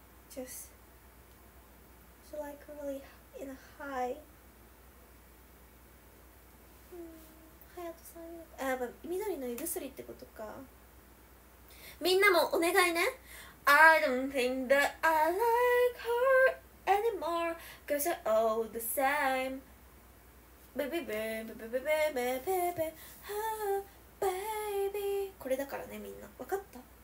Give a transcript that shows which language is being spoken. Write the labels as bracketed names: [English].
[English] Just so like really in a high. [Japanese] はやとさん、あ、やっぱ緑の胃薬ってことか。みんなもお願いね。 [English] I don't think that I like her anymore. Girls are all the same. [Japanese] ベベベベベベベベベベベベベベ、これだからね、みんな分かった。